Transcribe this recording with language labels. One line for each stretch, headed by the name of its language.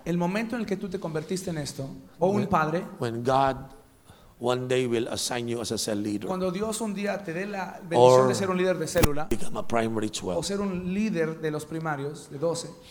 Spanish: el momento en el que tú te convertiste en esto, o un padre,
English: when God one day will assign you as a cell leader,
Spanish: cuando Dios un día te dé la bendición de ser un líder de célula,
English: become a primary 12,
Spanish: o ser un líder de los primarios de 12,